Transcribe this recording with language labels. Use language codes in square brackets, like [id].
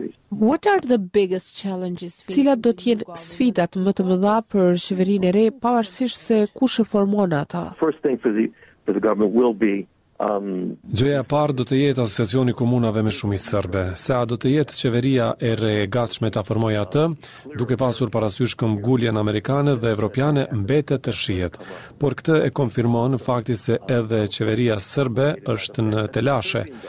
[en] What are the biggest challenges? [sq] Cilat do të jenë sfidat më të mëdha për qeverinë e re pavarësisht se kush e formon ata? [en] First thing for the government will be [sq] Gjëja parë do të jetë asociacioni komunave me shumicë serbe. Se a do të jetë qeveria e re e gatshme ta formojë atë, duke pasur parasysh këmbgulljen amerikane dhe evropiane mbetet të shihet. Por këtë e konfirmon fakti se edhe qeveria serbe është në telashe.